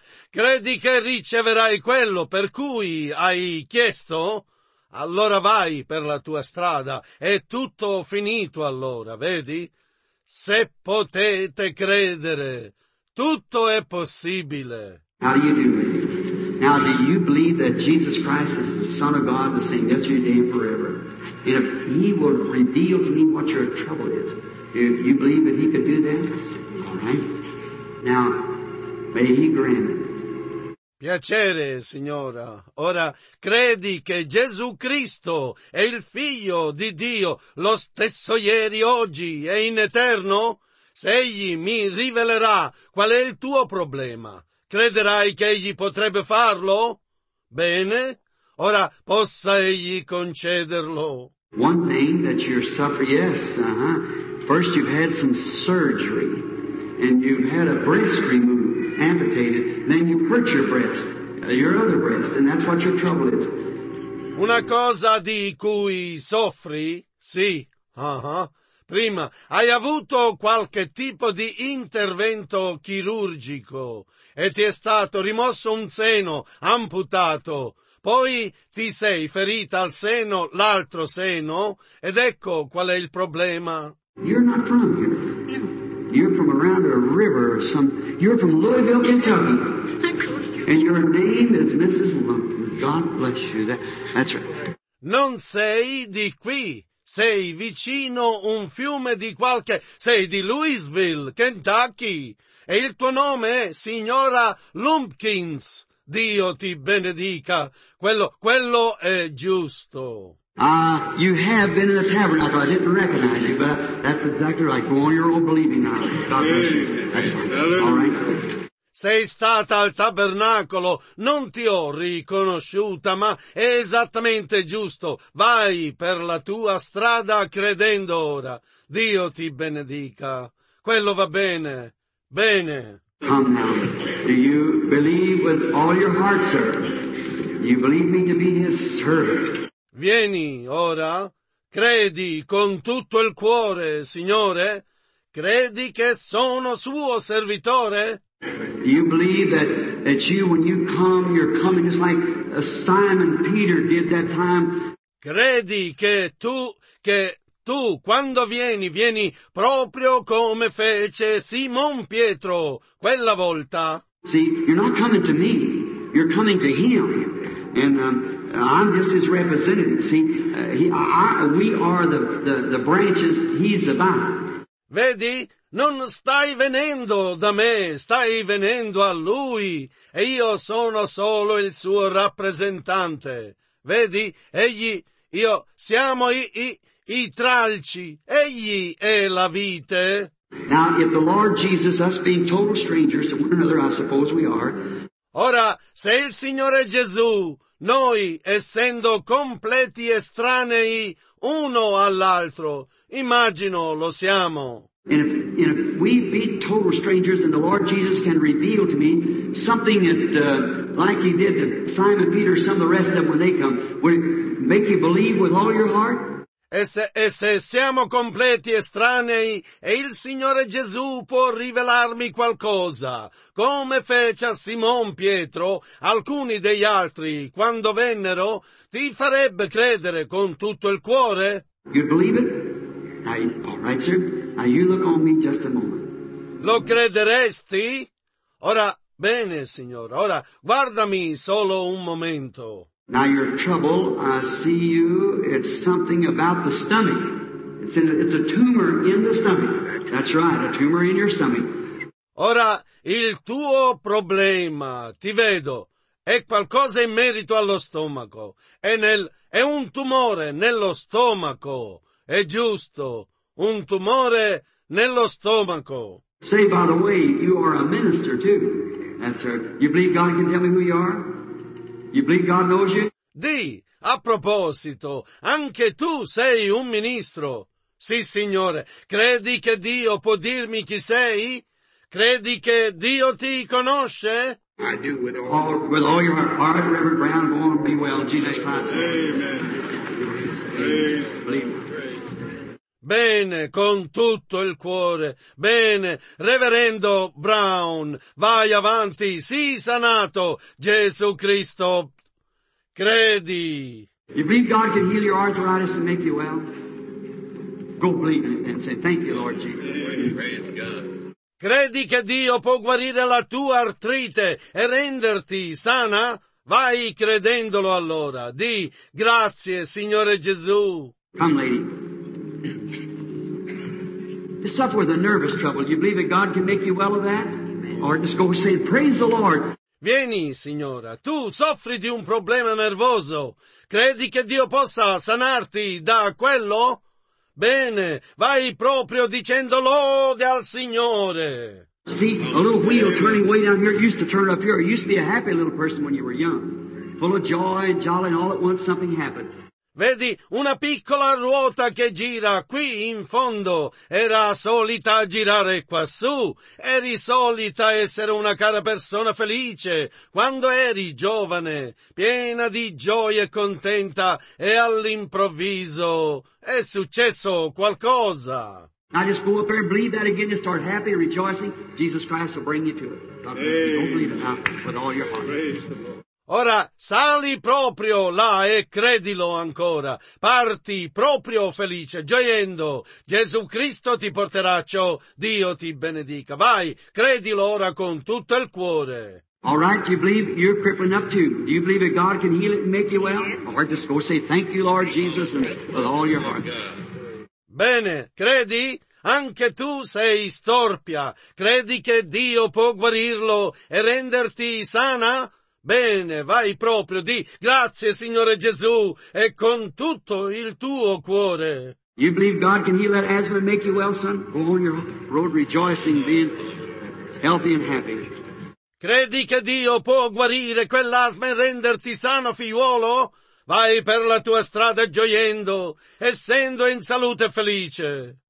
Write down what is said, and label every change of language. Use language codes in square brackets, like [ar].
[it] Credi che riceverai quello per cui hai chiesto? Allora vai per la tua strada. È tutto finito allora, vedi? Se potete credere, tutto è possibile. [en] How do you do it? Now, do you believe that Jesus Christ is the Son of God, the same yesterday, today, and forever? And if He will reveal to me what your trouble is, do you believe that He could do that? All right. Now, may He grant it. [it] Piacere, signora. Ora, credi che Gesù Cristo è il Figlio di Dio, lo stesso ieri, oggi e in eterno? Se Egli mi rivelerà qual è il tuo problema, crederai che Egli potrebbe farlo? Bene, ora possa Egli concederlo. [en] One thing that you suffer, yes, First you've had some surgery, and you've had a breast removed. Amputated, then you hurt your other breast, and that's what your trouble is. [it] Una cosa di cui soffri? Sì. Prima, hai avuto qualche tipo di intervento chirurgico, e ti è stato rimosso un seno, amputato. Poi ti sei ferita al seno, l'altro seno, ed ecco qual è il problema. [en] You're not from here. You're from around a river or some. You're from Louisville, Kentucky. And your name is Mrs. Lump. God bless you. That's right. [it] Non sei di qui. Sei vicino un fiume di qualche. Sei di Louisville, Kentucky. E il tuo nome è Signora Lumpkins. Dio ti benedica. Quello è giusto. [en] You have been in a tavern. I thought I didn't recognize you, but that's exactly right. Go on your own believing now. God bless you. That's fine. All right. [it] Sei stata al tabernacolo. Non ti ho riconosciuta, ma è esattamente giusto. Vai per la tua strada credendo ora. Dio ti benedica. Quello va bene. Bene. [en] Come now. Do you believe with all your heart, sir? You believe me to be his servant? [it] Vieni ora, credi con tutto il cuore, Signore? Credi che sono suo servitore? [en] Do you believe that you, when you come, you're coming just like Simon Peter did that time? [it] Credi che tu, quando vieni proprio come fece Simon Pietro quella volta? [en] See, you're not coming to me, you're coming to him. And I'm just his representative. See, we are the branches. He's the vine. [it] Vedi, non stai venendo da me, stai venendo a lui, e io sono solo il suo rappresentante. Vedi, egli, io siamo i tralci. Egli è la vite. [en] Now, if the Lord Jesus, us being total strangers to one another, I suppose we are. [it] Ora, se il Signore Gesù, noi, essendo completi estranei uno all'altro, immagino lo siamo. [en] And if we be total strangers and the Lord Jesus can reveal to me something that, like he did to Simon Peter, some of the rest of them when they come, would it make you believe with all your heart? [it] E se siamo completi estranei, e il Signore Gesù può rivelarmi qualcosa, come fece a Simon Pietro, alcuni degli altri, quando vennero, ti farebbe credere con tutto il cuore? [en] You believe it? All right, sir. Now you look on me just a moment. [it] Lo crederesti? Ora, bene, Signore, ora, guardami solo un momento. [en] Now your trouble, I see you, it's something about the stomach. It's a tumor in the stomach. That's right, a tumor in your stomach. [it] Ora, il tuo problema, ti vedo, è qualcosa in merito allo stomaco, è un tumore nello stomaco, è giusto, un tumore nello stomaco. [en] Say, by the way, you are a minister too. That's right. You believe God can tell me who you are? You believe God knows you? [it] Di, a proposito, anche tu sei un ministro. Sì, signore, credi che Dio può dirmi chi sei? Credi che Dio ti conosce? [en] I do, with all your heart, Reverend Brown, go on and be well, Jesus Christ. Amen. Believe. [it] Bene, con tutto il cuore. Bene, Reverendo Brown, vai avanti, sii sanato, Gesù Cristo. Credi. [en] You believe God can heal your arthritis and make you well? Go believe it and say, thank you, Lord Jesus. Praise God. [it] Credi che Dio può guarire la tua artrite e renderti sana? Vai credendolo allora. Di grazie, Signore Gesù. [en] Come, lady. You suffer with a nervous trouble. You believe that God can make you well of that? Or just go say, praise the Lord. [it] Vieni, signora. Tu soffri di un problema nervoso. Credi che Dio possa sanarti da quello? Bene, vai proprio dicendo lode al Signore. [en] See, a little wheel turning way down here, it used to turn up here. You used to be a happy little person when you were young. Full of joy and jolly, and all at once something happened. [it] Vedi, una piccola ruota che gira qui in fondo. Era solita girare quassù. Eri solita essere una cara persona felice. Quando eri giovane, piena di gioia e contenta, e all'improvviso è successo qualcosa. [en] Now just go up there and believe that again and start happy and rejoicing. Jesus Christ will bring you to it. Don't believe it now with all your heart. Praise the Lord. [it] Ora sali proprio là e credilo ancora. Parti proprio felice, gioiendo. Gesù Cristo ti porterà ciò. Dio ti benedica. Vai, credilo ora con tutto il cuore. [en] All right, you believe you're crippling up too. Do you believe that God can heal it and make you well? All right, just go say thank you, Lord Jesus, and with all your heart. [it] Bene, credi? Anche tu sei storpia. Credi che Dio può guarirlo e renderti sana? Bene, vai proprio, di grazie Signore Gesù e con tutto il tuo cuore. [en] You believe God can heal that asthma and make you well, son? Go on your road rejoicing, being healthy and happy. [it] Credi che Dio può guarire quell'asma e renderti sano, figliuolo? Vai per la tua strada gioiendo, essendo in salute felice.